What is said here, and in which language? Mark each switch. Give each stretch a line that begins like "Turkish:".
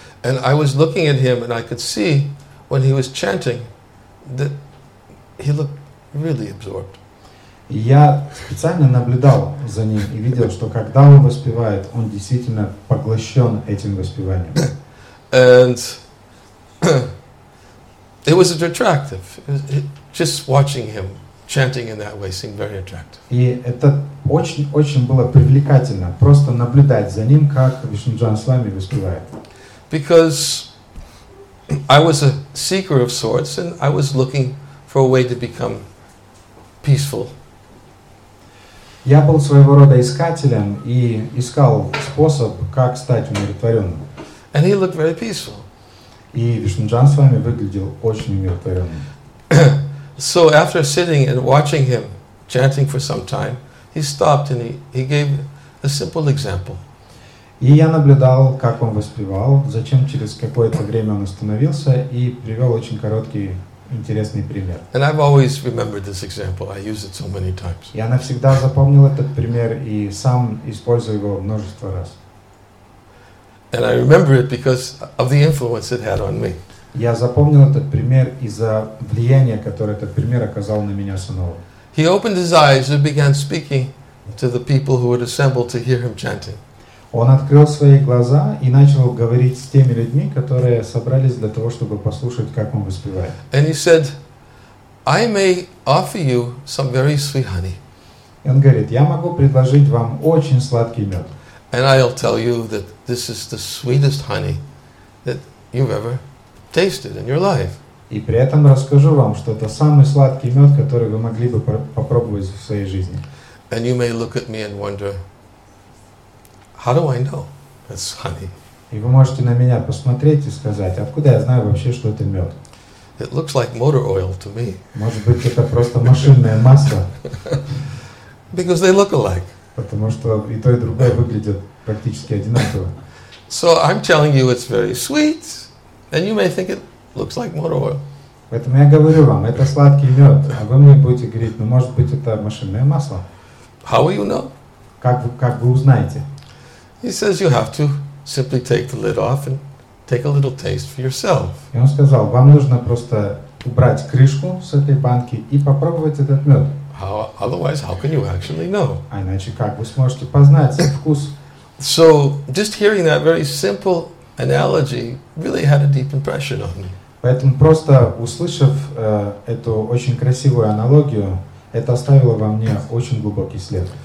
English: And I was looking at him, and I could see when he was chanting that he looked really absorbed.
Russian: Я специально наблюдал за ним и видел, что когда он воспевает, он действительно поглощен этим воспеванием.
English: And It was attractive. Just watching him chanting in that way seemed very attractive.
Russian: И это очень было привлекательно просто наблюдать за ним, как Вишнуджан с вами выступает.
English: Because I was a seeker of sorts and I was looking for a way to become peaceful.
Russian: Я был своего рода искателем и искал способ, как стать умиротворенным.
English: And he looked very peaceful.
Russian: И Вишнуджан с вами выглядел очень умиротворенным.
English: So after sitting and watching him chanting for some time, he stopped and he gave a simple example.
Russian: И я наблюдал, как он воспевал, затем через какое-то время он остановился и привел очень короткий интересный пример.
English: And I've always remembered this example. I use it so many times.
Russian: Я навсегда запомнил этот пример и сам использую его множество раз.
English: And I remember it because of the influence it had on me.
Russian: Я запомнил этот пример из-за влияния, которое этот пример оказал на меня снова.
English: He opened his eyes and began speaking to the people who had assembled to hear him chanting.
Russian: Он открыл свои глаза и начал говорить с теми людьми, которые собрались для того, чтобы послушать, как он воспевает.
English: And he said, "I may offer you some very sweet honey."
Russian: И он говорит, я могу предложить вам очень сладкий мед.
English: And I'll tell you that this is the sweetest honey that you've ever tasted in your life.
Russian: И при этом расскажу вам, что это самый сладкий мед, который вы могли бы попробовать в своей жизни.
English: And you may look at me and wonder, how do I know it's honey?
Russian: И вы можете на меня посмотреть и сказать, откуда я знаю вообще, что это мед?
English: It looks like motor oil to me.
Russian: Может быть, это просто машинное масло.
English: Because they look alike.
Russian: Потому что и то, и другое выглядят практически одинаково.
English: So I'm telling you it's very sweet, and you may think it looks like motor oil.
Russian: Поэтому я говорю вам, это сладкий мед, а вы мне будете говорить, ну может быть это машинное масло.
English: How will you know?
Russian: Как вы узнаете?
English: He says you have to simply take the lid off and take a little taste for yourself.
Russian: И он сказал, вам нужно просто убрать крышку с этой банки и попробовать этот мед.
English: Otherwise, how can you actually know?
Russian: А иначе как вы сможете познать вкус?
English: So, just hearing that very simple analogy really had a deep impression on me.
Russian: Поэтому просто услышав эту очень красивую аналогию, это оставило во мне очень глубокий след.